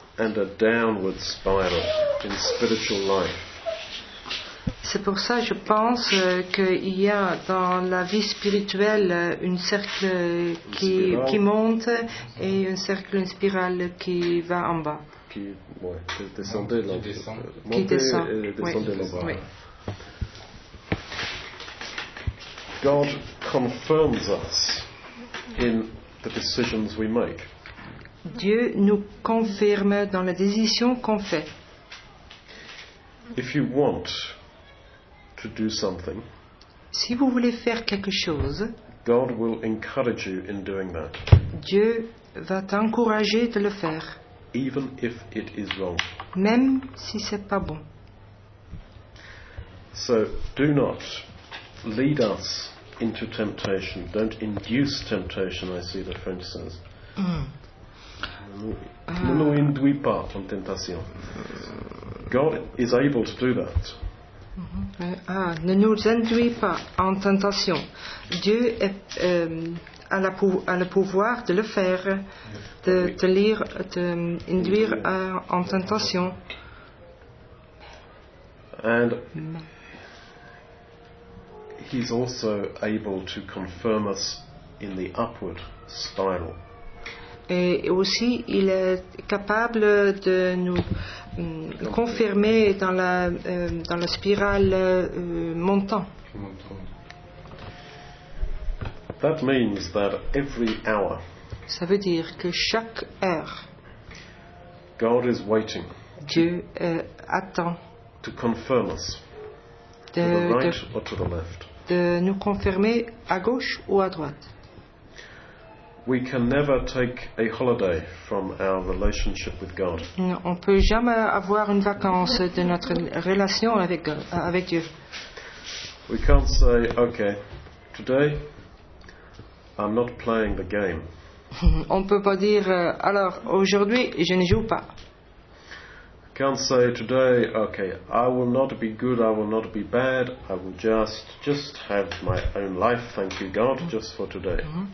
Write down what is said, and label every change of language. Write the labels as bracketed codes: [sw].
[en] and a downward spiral in spiritual life. [fr] C'est pour ça que je pense qu'il y a dans la vie spirituelle une cercle qui monte et une cercle, une spirale qui va en bas. Qui, ouais, qui descendait là. Qui descend. Et descendait là-bas. Oui. [en] God confirms us in the decisions we make. [fr] Dieu nous confirme dans la décision qu'on fait. [en] If you want to do something, [fr] si vous voulez faire quelque chose, [en] God will encourage you in doing that. [fr] Dieu va t'encourager de le faire. [en] Even if it is wrong. [fr] Même si c'est pas bon. [en] So do not lead us into temptation. Don't induce temptation, I see the French says. [fr] Ne nous induis pas en tentation. [en] God is able to do that. [fr] Ne nous induis pas en tentation. Dieu est, a le pouvoir de le faire, de induire en tentation. [en] And he's also able to confirm us in the upward spiral. [fr] Et aussi, il est capable de nous confirmer dans la spirale montant. [en] That means that every hour, [fr] ça veut dire que chaque heure, [en] God is waiting, [fr] Dieu attend, [en] to confirm us, to the right or to the left. [fr] De nous confirmer à gauche ou à droite. [en] We can never take a holiday from our relationship with God. [fr] On ne peut jamais avoir une vacance de notre relation avec Dieu. [en] We can't say, okay, today I'm not playing the game. [fr] On ne peut pas dire, alors aujourd'hui je ne joue pas. [en] We can't say today, okay, I will not be good, I will not be bad, I will just have my own life, thank you God, just for today.